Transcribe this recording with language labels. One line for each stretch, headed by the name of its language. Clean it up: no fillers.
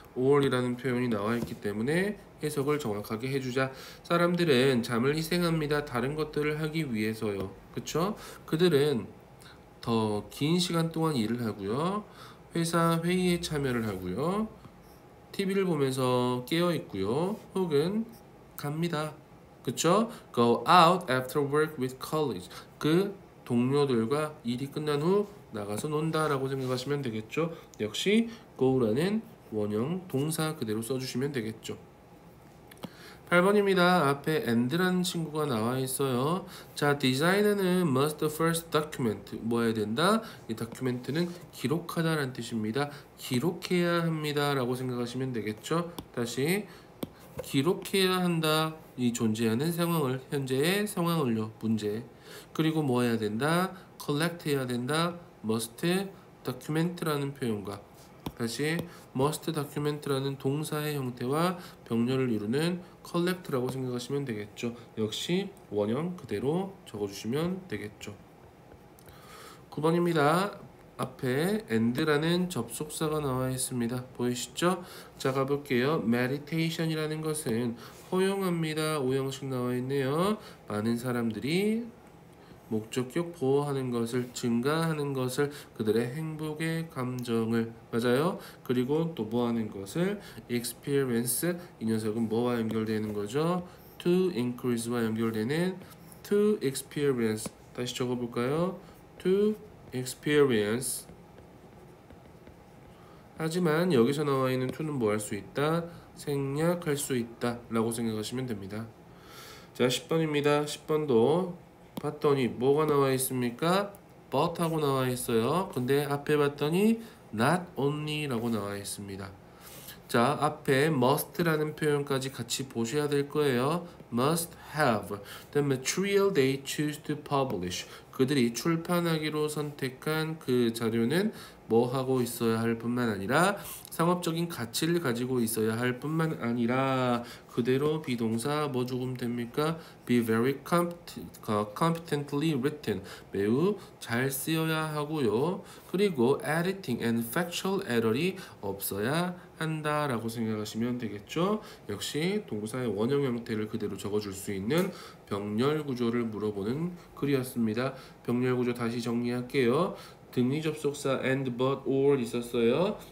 Korean: all이라는 표현이 나와 있기 때문에 해석을 정확하게 해주자. 사람들은 잠을 희생합니다. 다른 것들을 하기 위해서요. 그쵸? 그들은 더긴 시간 동안 일을 하고요. 회사 회의에 참여를 하고요. TV를 보면서 깨어 있고요. 혹은 갑니다. 그쵸?
English: Go out after work with colleagues.
Korean: 그 동료들과 일이 끝난 후 나가서 논다라고 생각하시면 되겠죠. 역시 go라는 원형 동사 그대로 써주시면 되겠죠. 8번입니다. 앞에 and라는 친구가 나와 있어요.
English: 자, 디자인에는 must first document.
Korean: 뭐 해야 된다? 이 document는 기록하다라는 뜻입니다. 기록해야 합니다라고 생각하시면 되겠죠. 다시 기록해야 한다. 이 존재하는 상황을 현재의 상황을요. 문제. 그리고 뭐 해야 된다? collect 해야 된다. must document라는 표현과 다시 must document라는 동사의 형태와 병렬을 이루는 collect라고 생각하시면 되겠죠. 역시 원형 그대로 적어주시면 되겠죠. 9번입니다. 앞에 and라는 접속사가 나와 있습니다. 보이시죠? 자, 가볼게요. meditation이라는 것은 허용합니다. 5형식 나와 있네요. 많은 사람들이 목적격 보호하는 것을, 증가하는 것을, 그들의 행복의 감정을, 맞아요? 그리고 또뭐 하는 것을, experience, 이 녀석은 뭐와 연결되는 거죠? to increase와 연결되는 to experience. 다시 적어볼까요? to experience. 하지만 여기서 나와 있는 to는 뭐할수 있다? 생략할 수 있다. 라고 생각하시면 됩니다. 자, 10번입니다. 10번도. 봤더니 뭐가 나와 있습니까? but 하고 나와 있어요. 근데 앞에 봤더니 not only 라고 나와 있습니다. 자, 앞에 must라는 표현까지 같이 보셔야 될 거예요.
English: must have the material they choose to publish.
Korean: 그들이 출판하기로 선택한 그 자료는 뭐 하고 있어야 할 뿐만 아니라 상업적인 가치를 가지고 있어야 할 뿐만 아니라 그대로 비동사 뭐 주면 됩니까?
English: be very competently written.
Korean: 매우 잘 쓰여야 하고요. 그리고
English: editing and factual error
Korean: 이 없어야 한다라고 생각하시면 되겠죠. 역시 동사의 원형 형태를 그대로 적어줄 수 있는 병렬 구조를 물어보는 글이었습니다. 병렬 구조 다시 정리할게요. 등위 접속사 and, but, or 있었어요.